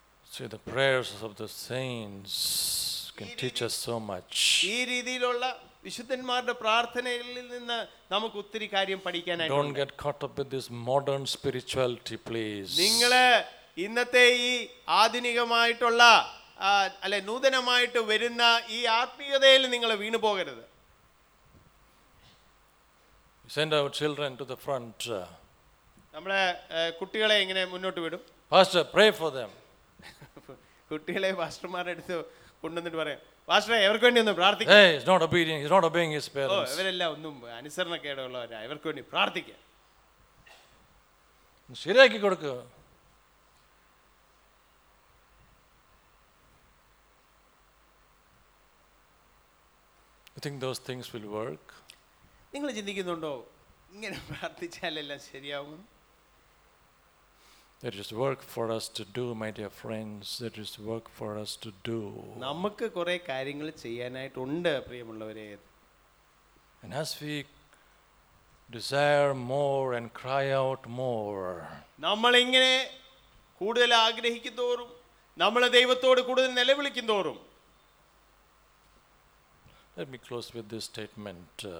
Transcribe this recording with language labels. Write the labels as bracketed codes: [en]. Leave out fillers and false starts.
[en] see the prayers of the saints can teach us so much [ml] ee reethilulla വിശുദ്ധന്മാരുടെ പ്രാർത്ഥനകളിൽ നിന്ന് നമുക്ക് ഒത്തിരി കാര്യം പഠിക്കാനായിട്ട് [en] don't get caught up with this modern spirituality please [ml] നിങ്ങളെ ഇന്നത്തെ ഈ ആധുനികമായിട്ടുള്ള അല്ലെ നൂതനമായിട്ട് വരുന്ന ഈ ആത്മീയതയിൽ നിങ്ങൾ വീണു പോകരുത് [en] send our children to the front [ml] നമ്മളെ കുട്ടികളെ എങ്ങനെ മുന്നോട്ട് വിടും [en] pastor pray for them [ml] കുട്ടികളെ പാസ്റ്റർമാരുടെ അടുത്ത് കൊണ്ടുവന്നിട്ട് പറയാം പാസ്റ്ററെ എവർക്ക് വേണ്ടി ഒന്ന് പ്രാർത്ഥിക്ക [en] hey he's not obedient he's not obeying his parents [ml] ഓ അവരെല്ലാം ഒന്നും അനുസരണക്കേടുള്ളവരാ എവർക്ക് വേണ്ടി പ്രാർത്ഥിക്ക ശരിയാക്കി കൊടുക്ക [en] I think those things will work. [ml] നിങ്ങൾ ചിന്തിക്കുന്നുണ്ടോ ഇങ്ങനെ പ്രാർത്ഥിച്ചാൽ എല്ലാം ശരിയാകും? [en] There is work for us to do, my dear friends. There is work for us to do. [ml] നമുക്ക് കുറേ കാര്യങ്ങൾ ചെയ്യാനായിട്ടുണ്ട് പ്രിയമുള്ളവരെ. [en] And as we desire more and cry out more. [ml] നമ്മൾ ഇങ്ങനെ കൂടുതൽ ആഗ്രഹിക്കുന്നതോറും നമ്മൾ ദൈവത്തോട് കൂടുതൽ നിലവിളിക്കുന്നതോറും. [en] Let me close with this statement.